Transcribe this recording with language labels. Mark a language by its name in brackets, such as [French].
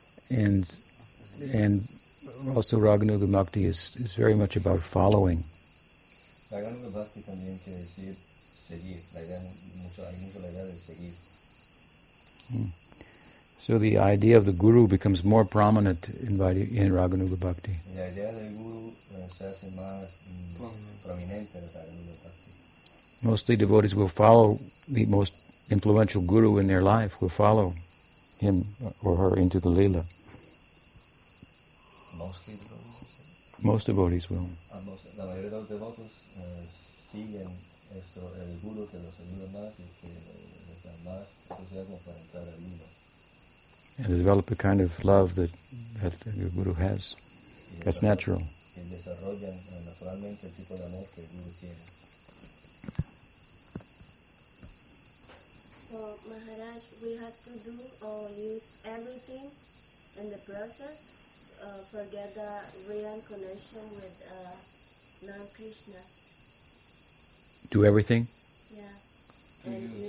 [English] And also Raganuga Bhakti is very much about following. [Spanish] Raganuga Bhakti también quiere decir seguir. La idea mucho, hay mucho la idea de seguir. [English] So the idea of the guru becomes more prominent in Raganuga Bhakti. [Spanish] La idea del guru se hace más prominente en Raganuga Bhakti. [English] Mostly devotees will follow the most influential guru in their life, will follow him or her into the lila. Mostly devotees? Most devotees will. [Spanish] La mayoría de los devotos siguen esto, el guru que los ayuda más y que les da más entusiasmo para entrar al lila. [English] And develop the kind of love that your guru has. That's natural. [Spanish] Y desarrollan naturalmente el tipo de amor que el guru tiene. [English] So, Maharaj, we have to do or use everything in the process for get the reincarnation with non-Krishna. Do everything? Yeah. And mm-hmm.